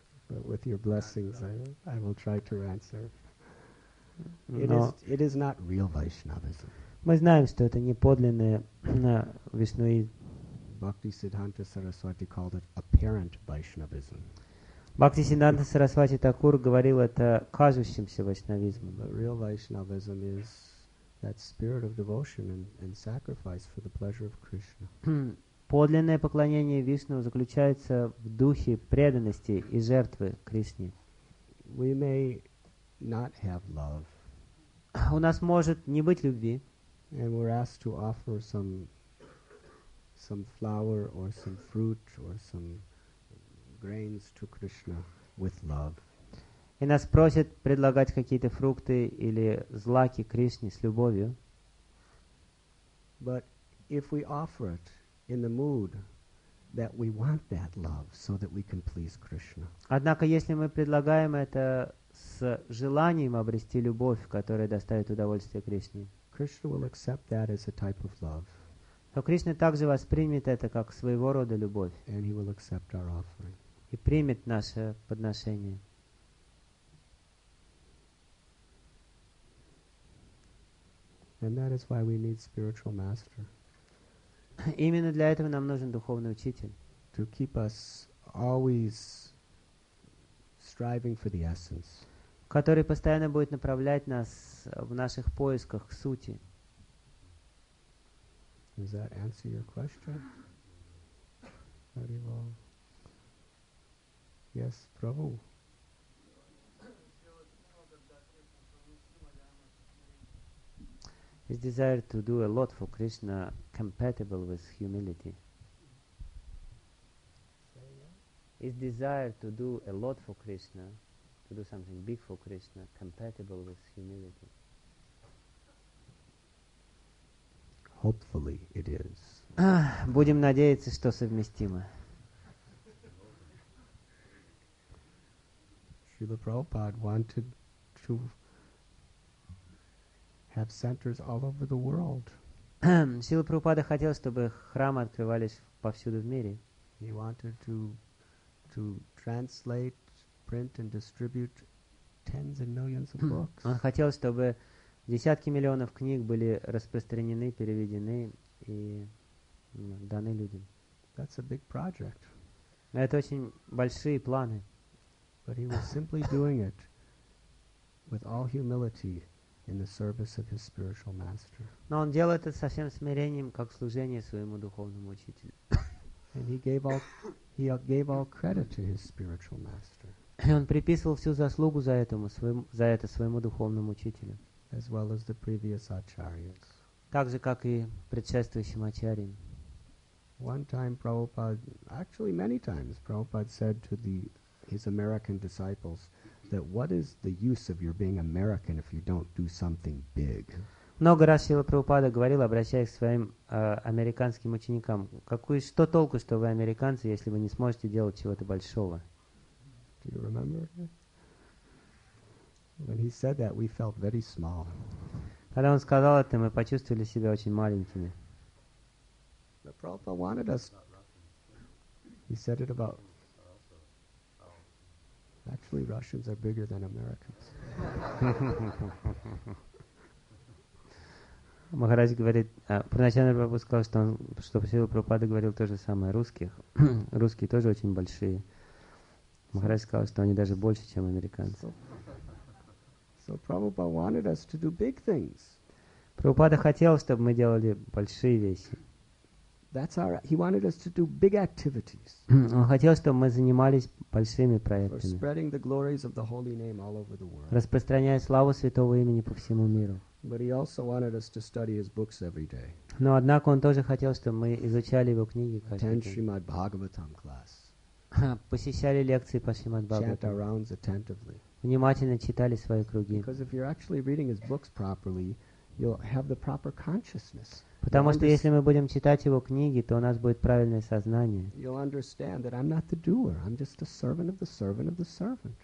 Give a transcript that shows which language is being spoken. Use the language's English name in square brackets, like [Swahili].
[English] But with your blessings, I will try to answer. It is not real Vaishnavism. [Russian] Мы знаем, что это не подлинное вишнуизм. [English] Bhakti Siddhanta Saraswati called it apparent Vaishnavism. [Russian] Бхакти Сиддханта Сарасвати Такур говорил это кажущимся вайшнавизмом. [English] But real Vaishnavism is that spirit of devotion and sacrifice for the pleasure of Krishna. [Russian] Подлинное поклонение Вишну заключается в духе преданности и жертвы Кришне. [English] We may not have love. [Russian] У нас может не быть любви. [English] And we're asked to offer some flower or some fruit or some grains to Krishna with love. [Russian] И нас просят предлагать какие-то фрукты или злаки Кришне с любовью. [English] But if we offer it in the mood that we want that love so that we can please Krishna. [Russian] Однако если мы предлагаем это с желанием обрести любовь, которая доставит удовольствие Кришне, [English] Krishna will accept that as a type of love. [Russian] То Кришна также воспримет это как своего рода любовь. [English] And he will accept our offering. [Russian] И примет наше подношение. [English] And that is why we need spiritual master. [Russian] Именно для этого нам нужен духовный учитель. [English] To keep us always striving for the essence. [Russian] Который постоянно будет направлять нас в наших поисках к сути. [English] Does that answer your question? Haribol. Yes, Prabhu. His desire to do a lot for Krishna compatible with humility. His desire to do a lot for Krishna, to do something big for Krishna, compatible with humility. Hopefully it is. [Russian] Будем надеяться, что совместимо. [English] Srila Prabhupada wanted to have centers all over the world. [Russian] Srila Prabhupada хотел, чтобы храмы открывались повсюду в мире. [English] He wanted to translate, print and distribute tens and millions of books. [Russian] Он хотел, чтобы десятки миллионов книг были распространены, переведены и даны людям. [English] That's a big project. [Russian] Это очень большие планы. [English] But he was simply doing it with all humility in the service of his spiritual master. [Russian] Но он делал это со всем смирением, как служение своему духовному учителю. [English] And he gave all credit to his spiritual master. [Russian] И он приписывал всю заслугу за это своему духовному учителю. [English] As well as the previous acharyas. [Russian] Так же, как и предшествующим ачарьям. [English] One time Prabhupada, actually many times, Prabhupada said to his American disciples, that what is the use of your being American if you don't do something big? [Russian] Много раз Шрила Прабхупада говорил, обращаясь к своим американским ученикам, что толку, что вы американцы, если вы не сможете делать чего-то большого? [English] Do you remember? When he said that, we felt very small. [Russian] Когда он сказал это, мы почувствовали себя очень маленькими. [English] The Prabhupada wanted us. He said it about. Actually, Russians are bigger than Americans. [Russian] Махарадж говорит, поначалу Прабхупада сказал, что он, что Шрила Прабхупада говорил то же самое о русских. Русские тоже очень большие. Махарадж сказал, что они даже больше, чем американцы. [English] So Prabhupada wanted us to do big things. [Russian] Прабхупада хотел, чтобы мы делали большие вещи. [English] That's our, he wanted us to do big activities. [Russian] Он хотел, чтобы мы занимались большими проектами. [English] For spreading the glories of the holy name all over the world. [Russian] Распространяя славу святого имени по всему миру. [English] But he also wanted us to study his books every day. [Russian] Но однако он тоже хотел, чтобы мы изучали его книги каждый день. [English] Attend Srimad Bhagavatam class. [Russian] Посещали лекции по Шримад Бхагаватам. [English] Chant our rounds attentively. [Russian] Внимательно читали свои круги. [English] Because if you're actually reading his books properly, you'll have the proper consciousness. [Russian] Потому что если мы будем читать его книги, то у нас будет правильное сознание. [English] You'll understand that I'm not the doer. I'm just a servant of the servant of the servant.